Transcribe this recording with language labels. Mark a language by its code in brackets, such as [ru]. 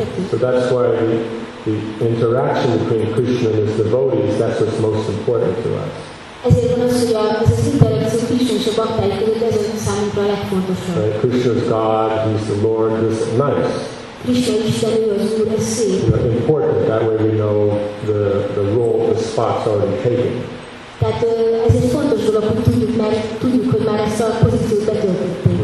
[en] So that's why the interaction between Krishna and his devotees, that's what's most important to us. [hu] Ezért van az, hogy ez az interakció Krishna és a baktáj között, ez az számunkra a legfontosabb. [en] Right, Krishna is God, he's the Lord, this is nice. [hu] Krishna Isten, ő az Úr, ez szép. [en] You know, important, that way we know the role, the spot's already taken. [hu] Tehát ez egy fontos dolog, hogy tudjuk, mert tudjuk, hogy már ezt a pozíciót betöltöttünk.